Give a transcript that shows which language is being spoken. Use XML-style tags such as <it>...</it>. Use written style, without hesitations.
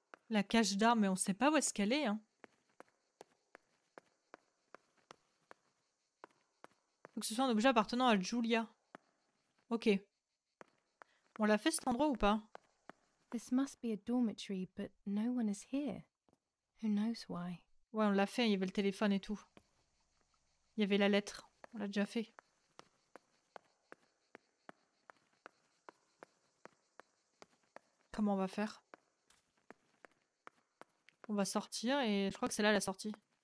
<fr>La cache d'armes, mais on sait pas où est-ce qu'elle est, hein. Faut que ce soit un objet appartenant à Julia. Ok. On l'a fait cet endroit ou pas?</fr> <en>This must be a dormitory, but no one is here. Who knows why?</en> <fr>Ouais, on l'a fait, il y avait le téléphone et tout. Il y avait la lettre, on l'a déjà fait. Comment on va faire? On va sortir et je crois que c'est là la sortie.</fr>